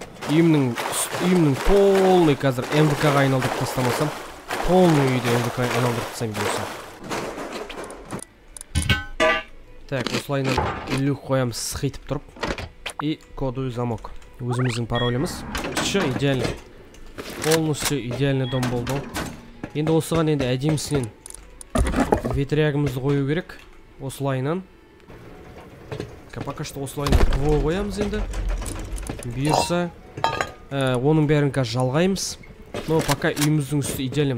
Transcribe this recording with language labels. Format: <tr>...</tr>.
<kk>Үйімнің</kk> <ru>полный</ru> <kk>қазір МВК-ға айналдырып тастамасам. Полный үйде МВК-ға айналдырып тастам бейсам. Так, осылайынан люк қоям сықитып тұрып.</kk> <ru>И кодовый замок.</ru> <kk>Өзіміздің паролымыз.</kk> <ru>Все идеально. Полностью идеальный дом</ru> <kk>болды. Енді осыған енді әдемісінен ветрягымызды қою керек. Осылайынан.</kk> <ru>Пока что</ru> <kk>осылайынан ПВО қоямыз енді. Бұйырса. Оның бәрін қазір жалғаймыз.</kk> <ru>Но пока</ru> <kk>үйіміздің үсті идеальным.</kk>